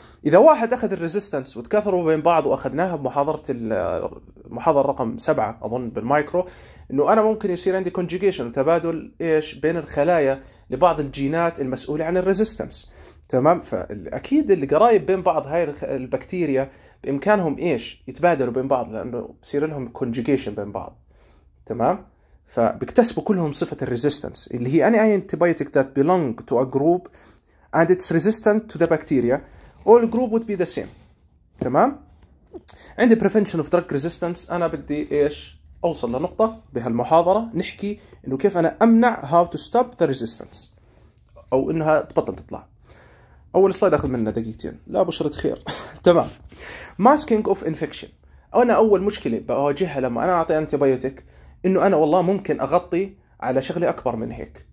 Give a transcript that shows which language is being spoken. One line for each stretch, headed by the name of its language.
Arabic: إذا واحد أخذ الريزيستنس وتكاثروا بين بعض، وأخذناها بمحاضرة المحاضرة رقم 7 أظن بالمايكرو، إنه أنا ممكن يصير عندي كونجيجيشن، تبادل إيش؟ بين الخلايا لبعض الجينات المسؤولة عن الريزيستنس. تمام؟ فأكيد القرايب بين بعض هاي البكتيريا بإمكانهم إيش؟ يتبادلوا بين بعض، لأنه بصير لهم conjugation بين بعض.
English: تمام؟
Arabic: فبيكتسبوا كلهم صفة الريزيستنس اللي هي
English: any antibiotic that belong to a group and it's resistant to the bacteria all group would be the same.
Arabic: تمام؟ عندي prevention of drug resistance. أنا بدي إيش؟ أوصل لنقطة بهالمحاضرة نحكي إنه كيف أنا أمنع
English: how to stop the resistance
Arabic: أو إنها تبطل تطلع. أول سلايد أخذ منه دقيقتين، لا بشرة خير.
English: تمام. Masking of infection.
Arabic: أنا أول مشكلة بواجهها لما أنا أعطي antibiotic إنه أنا والله ممكن أغطي على شغلة أكبر من هيك.